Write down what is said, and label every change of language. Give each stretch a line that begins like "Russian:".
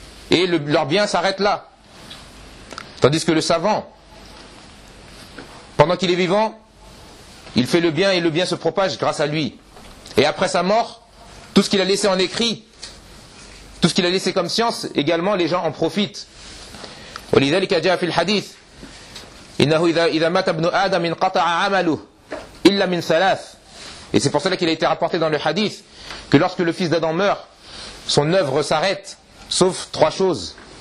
French: Et leur bien s'arrête là. Tandis que le savant, pendant qu'il est vivant, il fait le bien et le bien se propage grâce à lui. Et après sa mort, tout ce qu'il a laissé en écrit, tout ce qu'il a laissé comme science, également les gens en profitent.
Arabic: ولذلك جاء في الحديث إنه إذا مات ابن آدم انقطع عمله إلا من ثلاث.
French: Et c'est pour cela qu'il a été rapporté dans le hadith que lorsque le fils d'Adam meurt, son œuvre s'arrête, sauf trois choses.